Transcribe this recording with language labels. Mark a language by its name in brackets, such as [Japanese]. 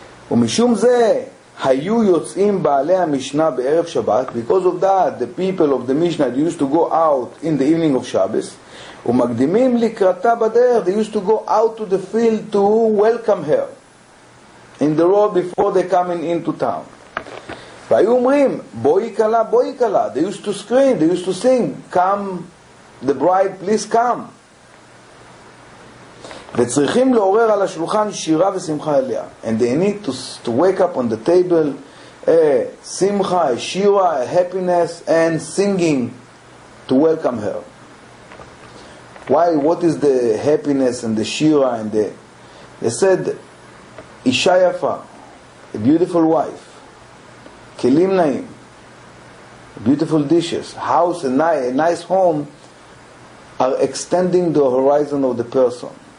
[Hebrew] ומשום זה היו יוצאים בעלי המשנה בערב שבת, [English] because of that the people of the Mishnah they used to go out in the evening of Shabbos, [Hebrew] ומקדימים לקראתה בדרך, [English] they used to go out to the field to welcome her in the road before they coming into town, [Hebrew] והיו אומרים בואי קלה, בואי קלה, [English] they used to scream, they used to sing, come the bride, please come. [Hebrew] וצריכים לעורר על השולחן שירה ושמחה אליה. [English] And they need to wake up on the table a simcha, a shira, a happiness, and singing to welcome her. Why? What is the happiness and the shira and the... They said, [Hebrew] Isha Yafa, [English] a beautiful wife, [Hebrew] kelim naim, [English] beautiful dishes, house, a nice home, are extending the horizon of the person.